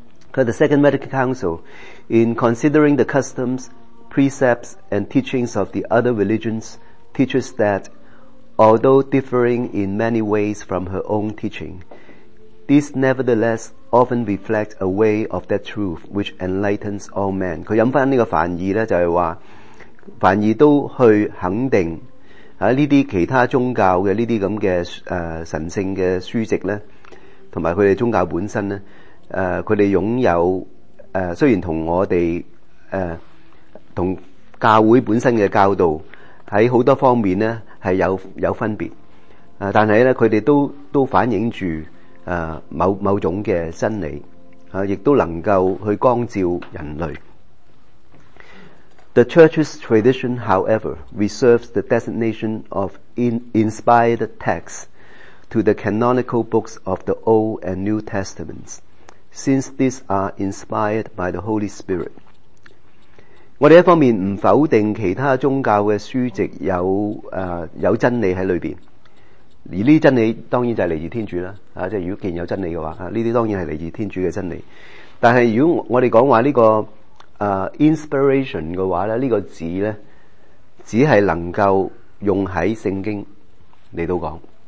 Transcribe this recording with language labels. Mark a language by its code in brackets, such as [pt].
[en] The Second Vatican Council, in considering the customs, precepts, and teachings of the other religions, teaches that, although differing in many ways from her own teaching, This nevertheless often reflects a way of that truth which enlightens all men. [zh] 他引返这个梵义呢，就是说梵义都去肯定啊，这些其他宗教的这些这样的神圣的书籍呢，同埋他们宗教本身呢，他们拥有虽然同我们同教会本身的教导在很多方面呢是有分别，但是呢他们都反映住某种的真理，亦都能够去光照人类。 [en] The church's tradition, however, reserves the designation of inspired texts to the canonical books of the Old and New Testaments, since these are inspired by the Holy Spirit. [zh] 我们一方面不否定其他宗教的书籍有真理在里面，而这些真理当然就是来自天主啦，即是如果既然有真理的话，这些当然是来自天主的真理。但是如果我们讲话这个inspiration 的话，这个字呢只是能够用在圣经来到讲。